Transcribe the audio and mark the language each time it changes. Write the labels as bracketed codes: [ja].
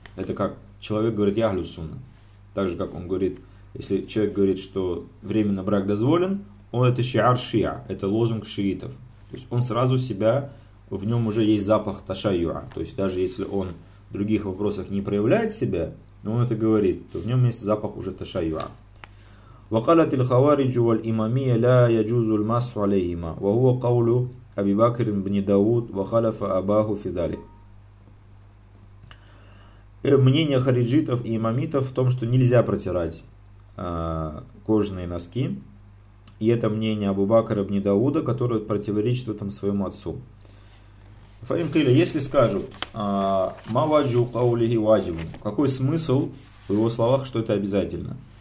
[ru] Это как человек говорит: я ахлю сунна. Так же, как он говорит, если человек говорит, что временно брак дозволен, он — это шиар шиа, это лозунг шиитов. То есть он сразу себя, в нем уже есть запах ташайюа. То есть даже если он других вопросах не проявляет себя, но он это говорит, то в нем есть запах уже ташайюа. [ar] وقالت الخوارج والإمامية لا يجوز المس عليهما وهو قول أبي بكر بن داود وخلف أباه في ذلك. [ru] Мнение хариджитов и имамитов в том, что нельзя протирать кожаные носки. И это мнение Абу Бакра ибн Дауда, которое противоречит этому своему отцу. Фаин Кыля, если скажут, [ar] ма ваджу каулихи ваджу, [ru] какой смысл в его словах, что это обязательно?